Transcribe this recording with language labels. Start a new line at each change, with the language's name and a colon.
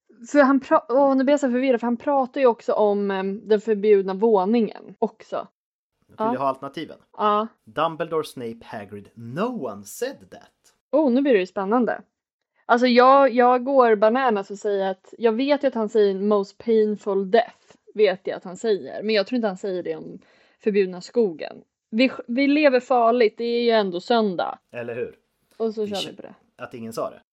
Swedish: För han nu blir jag så förvirrad, för han pratar ju också om den förbjudna våningen också. Vill du ha alternativen? Ja.
English: Dumbledore, Snape, Hagrid, no one said that.
Swedish: Oh, nu blir det ju spännande. Alltså jag går bananas och säger att jag vet ju att han säger
English: most painful death,
Swedish: vet jag att han säger. Men jag tror inte han säger det om förbjudna skogen. Vi lever farligt, det är ju ändå söndag. Eller hur? Och så kör vi på det. Att ingen sa det?